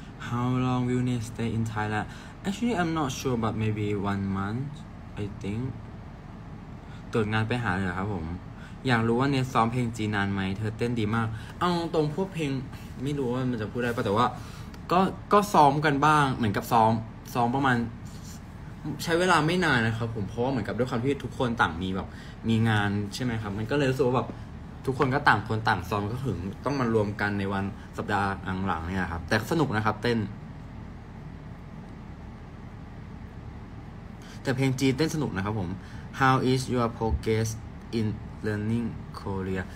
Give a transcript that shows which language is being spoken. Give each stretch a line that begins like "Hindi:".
English: How long will you stay in Thailand? Actually, I'm not sure, but maybe 1 month, I think.
Thai: ตรวจงานไปหาเลยครับผมอยากรู้ว่าเนี่ยซ้อมเพลงจีนานไหมเธอเต้นดีมากเอาตรงพวกเพลงไม่รู้ว่ามันจะพูดได้ป่ะแต่ว่าก็ซ้อมกันบ้างเหมือนกับซ้อมประมาณ ใช้เวลาไม่นานนะครับผมเพราะว่าเหมือนกับด้วยความที่ทุกคนต่างมีแบบมีงานใช่ไหมครับมันก็เลยรู้สึกว่าแบบทุกคนก็ต่างคนต่างซ้อมก็ถึงต้องมารวมกันในวันสัปดาห์หลังๆเนี่ยครับแต่สนุกนะครับเต้นแต่เพลงจีนเต้นสนุกนะครับผม
English: How is your progress in learning Korean?